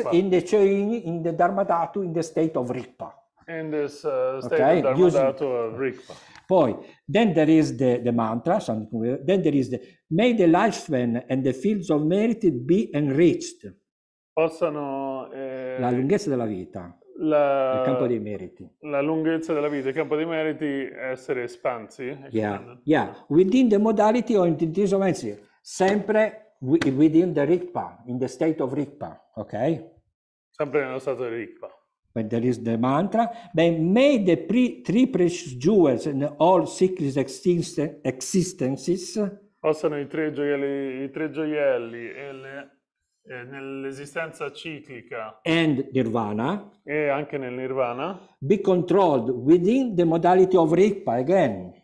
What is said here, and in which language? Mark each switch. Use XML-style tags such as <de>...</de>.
<en>in the chain, in the Dharma Dhatu, in the state of Rigpa. In this state okay? of Dharma Using... Dhatu of Rigpa. Poi, then there is the mantra, then there is the may the lifespan and the fields of merit be enriched.</en> <it>Possano la lunghezza della vita. Il campo dei meriti. La lunghezza della vita, il campo dei meriti essere espansi.</it> <en>Yeah. Yeah. Within the modality of intrinsic, sempre within the Rigpa, in the state of Rigpa, ok?</en> <it>Sempre nello stato di Rigpa.</it> <en>When there is the mantra, may the three precious jewels and all cyclic existences</en> <it>possano i tre gioielli e le nell'esistenza ciclica</it> <en>and nirvana</en> <it>e anche nel nirvana</it> <en>be controlled within the modality of Rigpa again</en>